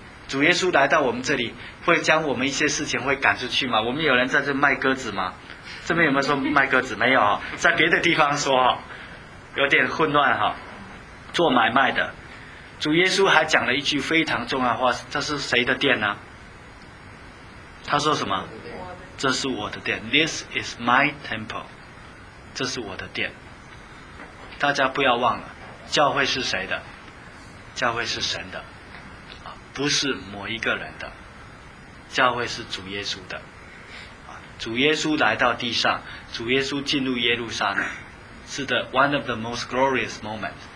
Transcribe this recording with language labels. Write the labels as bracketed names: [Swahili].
[Chinese] 主耶稣来到我们这里，会将我们一些事情会赶出去吗？我们有人在这卖鸽子吗？这边有没有说卖鸽子？没有，在别的地方说，有点混乱。做买卖的，主耶稣还讲了一句非常重要的话，这是谁的殿呢？他说什么？这是我的殿。 [English] This is my temple， [Chinese] 这是我的殿。大家不要忘了，教会是谁的？教会是神的，不是某一个人的，教会是主耶稣的。主耶稣来到地上，主耶稣进入耶路撒冷，是的 ， [English] one of the most glorious moments。